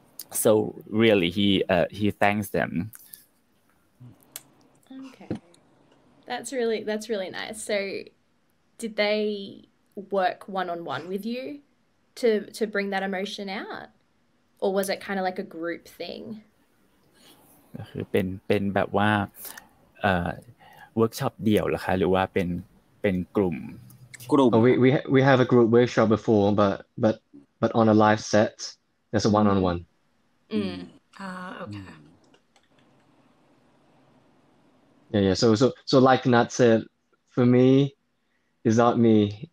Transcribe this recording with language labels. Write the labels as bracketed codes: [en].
[en] So really, he thanks them. Okay. That's really nice. So did they work one-on-one with you to bring that emotion out? Or was it kind of like a group thing? [th] เป็นแบบว่าworkshop เดียวล่ะคะหรือว่าเป็นกลุ่ม [en] We we have a group workshop before, but on a live set, that's a one-on-one. Okay. Yeah. So like Nat said, for me, it's not me.